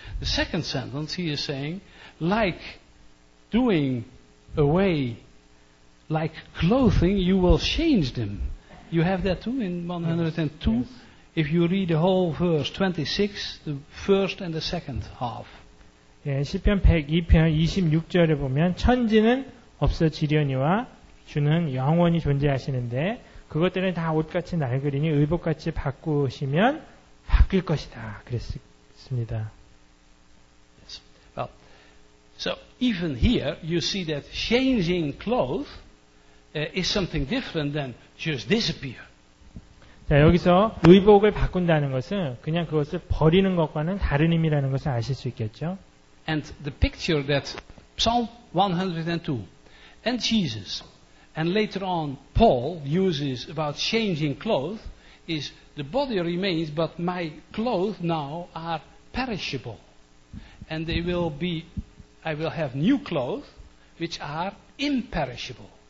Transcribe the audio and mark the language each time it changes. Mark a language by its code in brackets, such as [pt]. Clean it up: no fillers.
[en] The second sentence he is saying, like doing away, like clothing, you will change them. You have that too in 102? Yes. Yes. If you read the whole verse, 26, the first and the second half. [ko] 예, 시편 102편 26절에 보면 천지는 없어지려니와 주는 영원히 존재하시는데 그것들은 다 옷같이 날그리니 의복같이 바꾸시면 바뀔 것이다. 그랬습니다. [en] Yes. Well, so even here you see that changing clothes is something different than just disappear. [ko] 자, 여기서 의복을 바꾼다는 것은 그냥 그것을 버리는 것과는 다른 의미라는 것을 아실 수 있겠죠. [en] And the picture that Psalm 102 and Jesus and later on Paul uses about changing clothes is the body remains but my clothes now are perishable. And they will be, I will have new clothes which are imperishable.